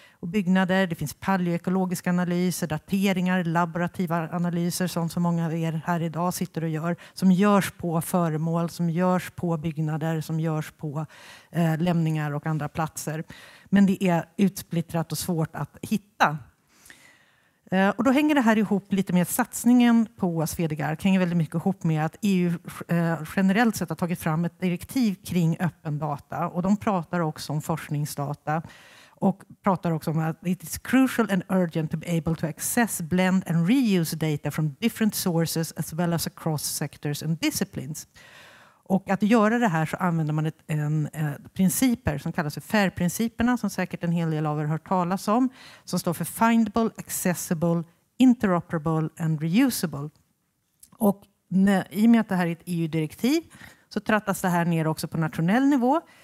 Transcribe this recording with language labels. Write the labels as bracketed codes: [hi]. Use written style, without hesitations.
[sv] Och byggnader, det finns paleoekologiska analyser, dateringar, laborativa analyser, sånt som många av er här idag sitter och gör, som görs på föremål, som görs på byggnader, som görs på lämningar och andra platser. Men det är utsplittrat och svårt att hitta. Och då hänger det här ihop lite med satsningen på Swedigark. Det hänger väldigt mycket ihop med att EU generellt sett har tagit fram ett direktiv kring öppen data. Och de pratar också om forskningsdata. Och pratar också om att [en] it is crucial and urgent to be able to access, blend and reuse data from different sources as well as across sectors and disciplines. [sv] Och att göra det här så använder man principer som kallas för FAIR-principerna, som säkert en hel del av er hört talas om, som står för [en] findable, accessible, interoperable and reusable. [sv] Och i och med att det här är ett EU-direktiv så trattas det här ner också på nationell nivå.